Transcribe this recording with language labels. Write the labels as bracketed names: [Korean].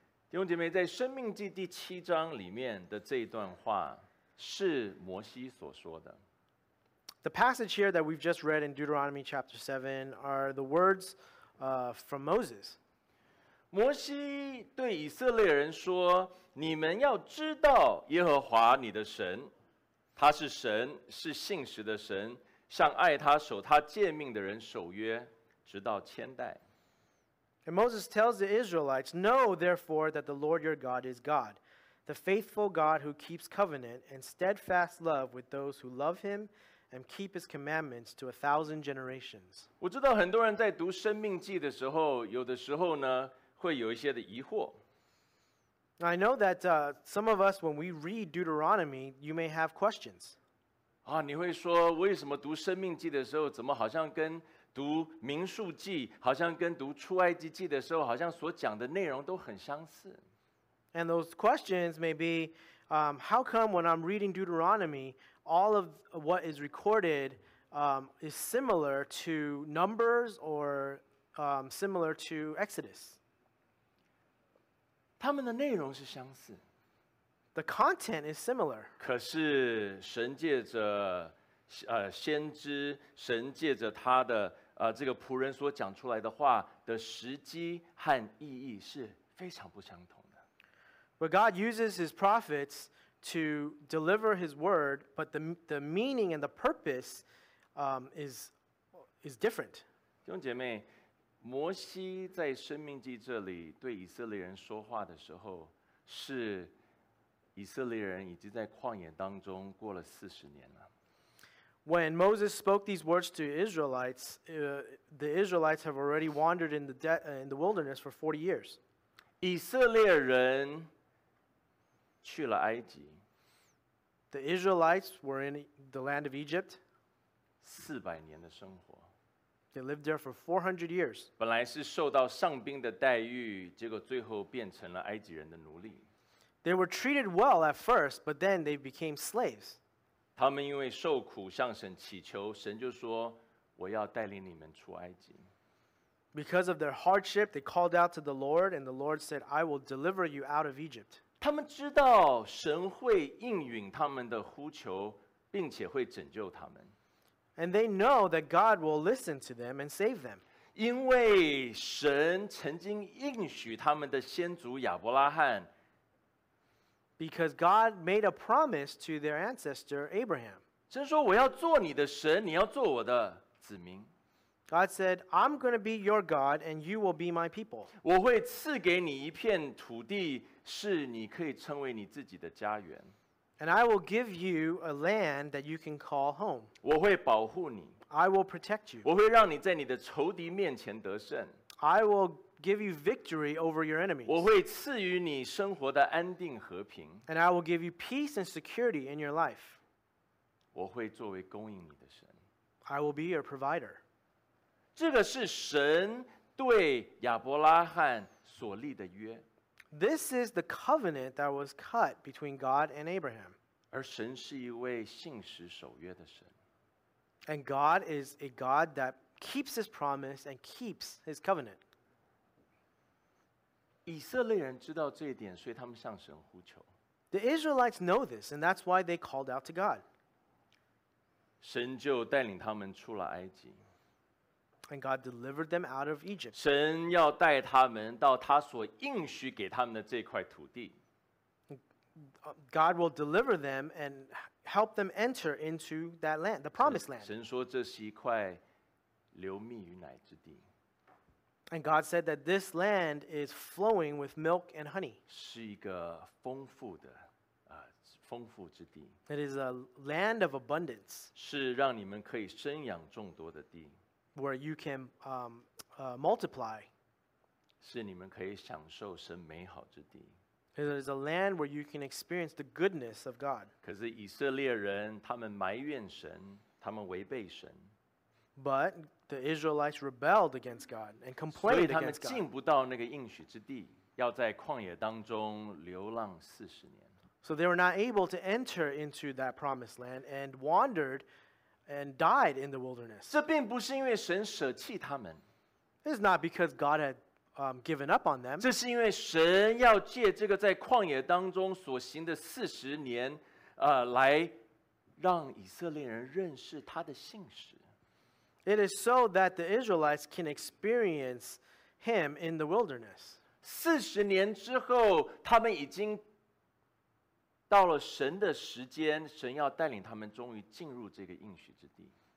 [Chinese] 弟兄姐妹，在《生命记》第七章里面的这一段话是摩西所说的。 [English] The passage here that we've just read in Deuteronomy chapter 7 are the words from Moses. [Chinese] 摩西对以色列人说，你们要知道耶和华你的神，他是神，是信实的神，向爱他、守他诫命的人守约，直到千代。 [English] And Moses tells the Israelites, Know therefore that the Lord your God is God, the faithful God who keeps covenant and steadfast love with those who love him,and keep his commandments to 1,000 generations. [Chinese] 我知道很多人在读生命记的时候，有的时候呢，会有一些的疑惑。 [English] I know that some of us, when we read Deuteronomy, you may have questions. [Chinese] 啊，你会说，为什么读生命记的时候，怎么好像跟读民数记，好像跟读出埃及记的时候，好像所讲的内容都很相似。 [English] And those questions may be, how come when I'm reading Deuteronomy, all of what is recorded is similar to Numbers or similar to Exodus? [Chinese] 他们的内容是相似。 [English] The content is similar. [Chinese] 可是神借着先知，神借着他的这个仆人所讲出来的话的时机和意义是非常不相同的。 [English] But God uses his prophets to deliver his word, but the meaning and the purpose is different. [Chinese] 弟兄姐妹，摩西在《生命记》这里对以色列人说话的时候，是以色列人已经在旷野当中过了四十年了。 [English] When Moses spoke these words to Israelites, the Israelites have already wandered in the wilderness for 40 years. [Chinese] 以色列人去了埃及。 [English] The Israelites were in the land of Egypt. [Chinese] 四百年的生活。 [English] They lived there for 400 years. [Chinese] 本来是受到上宾的待遇，结果最后变成了埃及人的奴隶。 [English] They were treated well at first, but then they became slaves. [Chinese] 他们因为受苦向神祈求，神就说：“我要带领你们出埃及。” [English] Because of their hardship, they called out to the Lord, and the Lord said, I will deliver you out of Egypt. [Chinese] 他们知道神会应允他们的呼求，并且会拯救他们。 [English] And they know that God will listen to them and save them. [Chinese] 因为神曾经应许他们的先祖亚伯拉罕。 [English] Because God made a promise to their ancestor Abraham. [Chinese] 神说我要做你的神，你要做我的子民。 [English] God said, I'm going to be your God and you will be my people. [Chinese] 我会赐给你一片土地，是你可以称为你自己的家园。 [English] And I will give you a land that you can call home. [Chinese] 我会保护你。 [English] I will protect you. [Chinese] 我会让你在你的仇敌面前得胜。 [English] I will give you victory over your enemies. [Chinese] 我会赐予你生活的安定和平。 [English] And I will give you peace and security in your life. [Chinese] 我会作为供应你的神。 [English] I will be your provider. [Chinese] 这个是神对亚伯拉罕所立的约。 [English] This is the covenant that was cut between God and Abraham. [Chinese] 而神是一位信实守约的神。 [English] And God is a God that keeps his promise and keeps his covenant. [Chinese] 以色列人知道这一点，所以他们向神呼求。 [English] The Israelites know this, and that's why they called out to God. [Chinese] 神就带领他们出了埃及。 [English] And God delivered them out of Egypt. [Chinese] 神要带他们到他所应许给他们的这块土地。 [English] God will deliver them and help them enter into that land, the promised land. [Chinese] 神说这是一块流蜜与奶之地。 [English] And God said that this land is flowing with milk and honey. [Chinese] 是一个丰富的丰富之地。 [English] It is a land of abundance. [Chinese] 是让你们可以生养众多的地。 [English] Where you can multiply. [Chinese] 是你们可以享受神美好之地。 [English] It is a land where you can experience the goodness of God. [Chinese] 可是以色列人，他们埋怨神，他们违背神。 [English] But the Israelites rebelled against God and complained against God. [Chinese] 所以他们进不到那个应许之地，要在旷野当中流浪四十年。 [English] So they were not able to enter into that promised land and wandered. And died in the wilderness. [Chinese] 这并不是因为神舍弃他们。 [English] It's not because God had given up on them. [Chinese] 这是因为神要借这个在旷野当中所行的四十年，来让以色列人认识他的信实。 [English] It is so that the Israelites can experience Him in the wilderness. [Chinese] 四十年之后，他们已经。到了神的时间，神要带领他们终于进入这个应许之地。